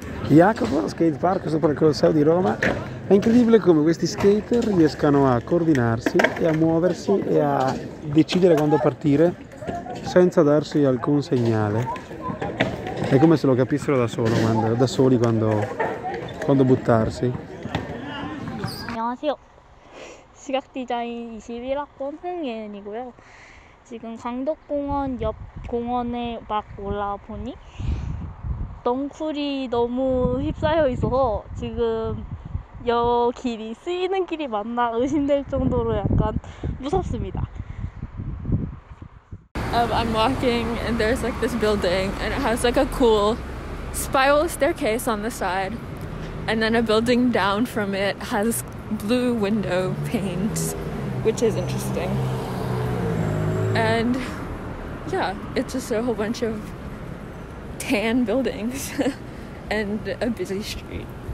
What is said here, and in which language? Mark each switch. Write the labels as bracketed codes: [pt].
[it] Jacopo Skate Park sopra il Colosseo di Roma. È incredibile come questi skater riescano a coordinarsi e a muoversi e a decidere quando partire senza darsi alcun segnale. È come se lo capissero da solo, da soli quando buttarsi. [ko] 안녕하세요. 시각 디자인 21학번 홍예은이고요. 지금 강덕공원 옆 공원에 막 올라와 보니 덩굴이 너무 휩싸여 있어서 지금 여 길이 쓰이는 길이 맞나 의심될 정도로 약간 무섭습니다. [en] I'm walking and there's like this building and it has like a cool spiral staircase on the side and then a building down from it has blue window paint, which is interesting. And yeah, it's just a whole bunch of tan buildings and a busy street.